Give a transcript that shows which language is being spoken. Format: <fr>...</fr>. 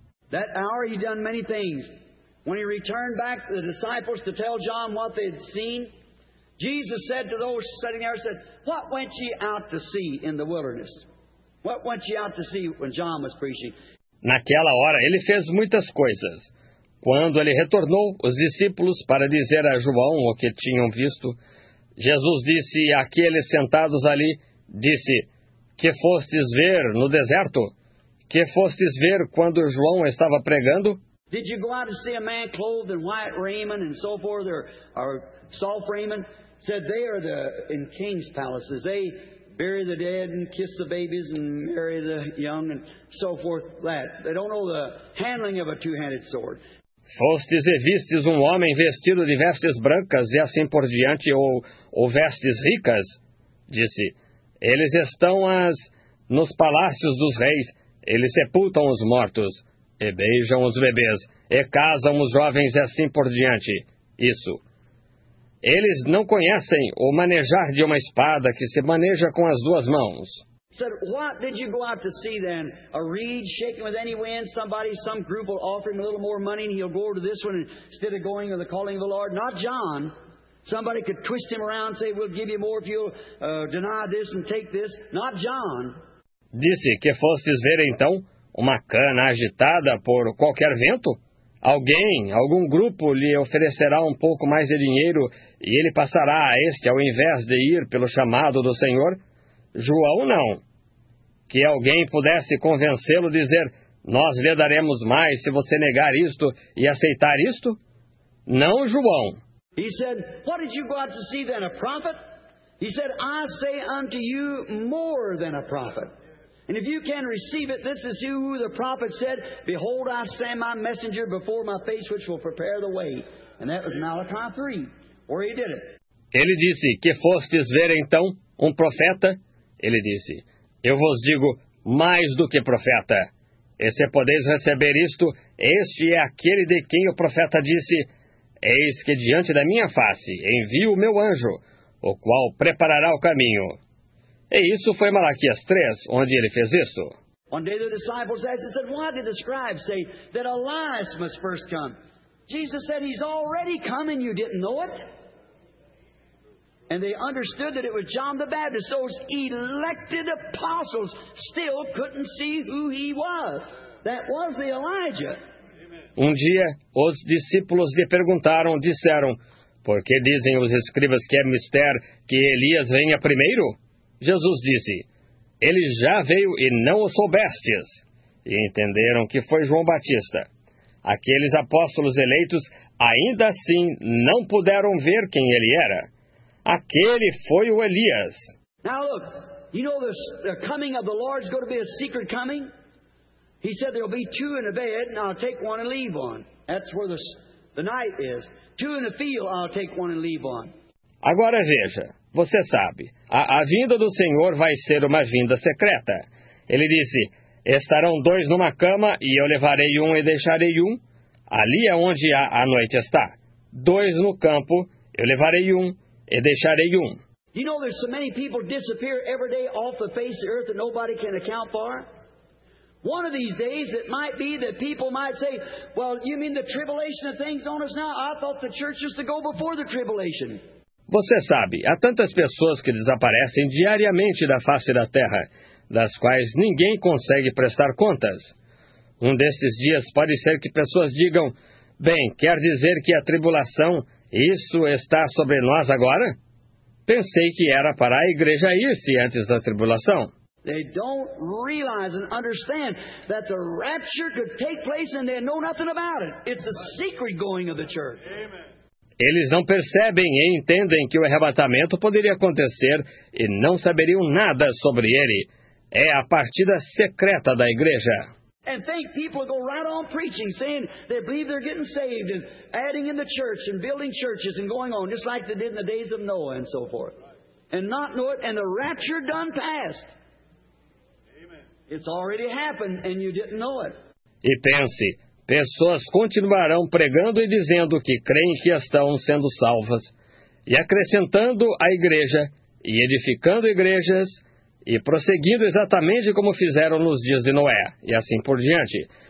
<en>That hour he done many things. When he returned back to the disciples to tell John what they had seen, Jesus said to those sitting there, said, "What went ye out to see in the wilderness?" What went you out to see when John was preaching?</en> <pt>Naquela hora, ele fez muitas coisas. Quando ele retornou, os discípulos, para dizer a João o que tinham visto, Jesus disse àqueles sentados ali, disse, que fostes ver no deserto? Que fostes ver quando João estava pregando?</pt> <en>Did you go out and see a man clothed in white raiment and so forth, or soft raiment? Said they are the, in king's palaces, they bury the dead and kiss the babies and marry the young and so forth. That they don't know the handling of a two-handed sword.</en> <pt>Fostes e vistes homem vestido de vestes brancas e assim por diante ou vestes ricas? Disse. Eles estão nos palácios dos reis. Eles sepultam os mortos e beijam os bebês e casam os jovens e assim por diante. Isso. Eles não conhecem o manejar de uma espada que se maneja com as duas mãos.</pt> <en>Said, what did you go out to see then? A reed shaking with any wind? Somebody, some group will offer him a little more money and he'll go to this one instead of going to the calling of the Lord? Not John. Somebody could twist him around and say, we'll give you more if you'll deny this and take this. Not John.</en> <pt>Disse que fostes ver, então, uma cana agitada por qualquer vento? Alguém, algum grupo, lhe oferecerá um pouco mais de dinheiro e ele passará a este ao invés de ir pelo chamado do Senhor? João, não. Que alguém pudesse convencê-lo, dizer, nós lhe daremos mais se você negar isto e aceitar isto? Não, João.</pt> <en>He said, what did you go out to see then, a prophet? He said, I say unto you more than a prophet. And if you can receive it, this is who the prophet said, behold, I send my messenger before my face, which will prepare the way. And that was Malachi 3, where he did it.</en> <pt>Ele disse, que fostes ver então um profeta? Ele disse, eu vos digo, mais do que profeta. E se podeis receber isto, este é aquele de quem o profeta disse, eis que diante da minha face envio o meu anjo, o qual preparará o caminho. E isso foi Malaquias 3, onde ele fez isso.</pt> <en>One day the disciples asked and said, why did the scribes say that Elias must first come? Jesus said, he's already come and you didn't know it. And they understood that it was John the Baptist. Those elected apostles still couldn't see who he was. That was the Elijah.</en> <pt>Um dia, os discípulos lhe perguntaram, disseram, por que dizem os escribas que é mistério que Elias venha primeiro? Jesus disse, ele já veio e não o soubestes. E entenderam que foi João Batista. Aqueles apóstolos eleitos ainda assim não puderam ver quem ele era. Aquele foi o Elias.</pt> <en>Now look, you know the coming of the Lord is going to be a secret coming? He said there'll be two in a bed and I'll take one and leave one. That's where the night is. Two in the field, I'll take one and leave one.</en> <pt>Agora veja, você sabe, a vinda do Senhor vai ser uma vinda secreta. Ele disse, estarão dois numa cama e eu levarei um e deixarei um. Ali é onde a noite está. Dois no campo, eu levarei um e deixarei um.</pt> <en>You know there's so many people disappear every day off the face of the earth that nobody can account for? One of these days, it might be that people might say, well, you mean the tribulation of things on us now? I thought the church used to go before the tribulation.</en> <pt>Você sabe, há tantas pessoas que desaparecem diariamente da face da terra, das quais ninguém consegue prestar contas. Um desses dias pode ser que pessoas digam, bem, quer dizer que a tribulação, isso está sobre nós agora? Pensei que era para a igreja ir-se antes da tribulação.</pt> <en>They don't realize and understand that the rapture could take place and they know nothing about it. It's a secret going of the church.</en> <pt>Eles não percebem e entendem que o arrebatamento poderia acontecer e não saberiam nada sobre ele. É a partida secreta da igreja.</pt> <en>And think people go right on preaching, saying they believe they're getting saved and adding in the church and building churches and going on just like they did in the days of Noah and so forth. And not know it, and the rapture done passed. It's already happened and you didn't know it.</en> <pt>E pense, pessoas continuarão pregando e dizendo que creem que estão sendo salvas, e acrescentando a igreja, e edificando igrejas, e prosseguindo exatamente como fizeram nos dias de Noé, e assim por diante.</pt>